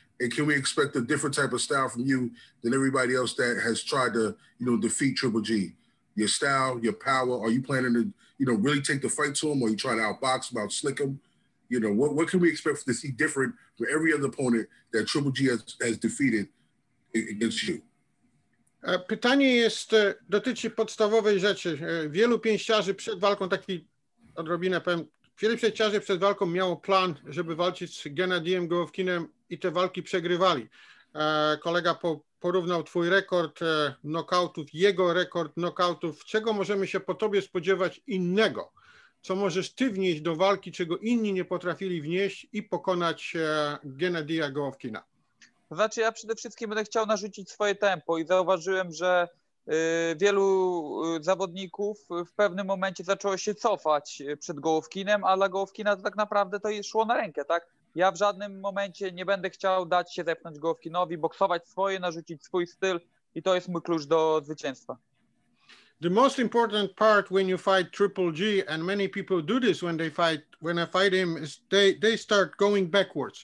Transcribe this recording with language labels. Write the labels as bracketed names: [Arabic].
[English] And can we expect a different type of style from you than everybody else that has tried to, you know, defeat Triple G? Your style, your power, are you planning to, you know, really take the fight to him? Or are you trying to outbox him, outslick him? You know, what can we expect to see different from every other opponent that Triple G has defeated against you? [Polish] Pytanie jest, dotyczy podstawowej rzeczy. Wielu pięściarzy przed walką, taki odrobinę powiem, wielu pięściarzy przed walką miało plan, żeby walczyć z Gennadiyem Golovkinem, i te walki przegrywali. Kolega porównał twój rekord knockoutów, jego rekord knockoutów. Czego możemy się po tobie spodziewać innego? Co możesz ty wnieść do walki, czego inni nie potrafili wnieść i pokonać Gennadiya Golovkina? Znaczy, ja przede wszystkim będę chciał narzucić swoje tempo i zauważyłem, że wielu zawodników w pewnym momencie zaczęło się cofać przed Golovkinem, a dla Golovkina to tak naprawdę to szło na rękę, tak? Ja w żadnym momencie nie będę chciał dać się zepchnąć Golovkinowi, boksować swoje, narzucić swój styl, i to jest mój klucz do zwycięstwa. [English] The most important part when you fight Triple G, and many people do this when I fight him, is they start going backwards.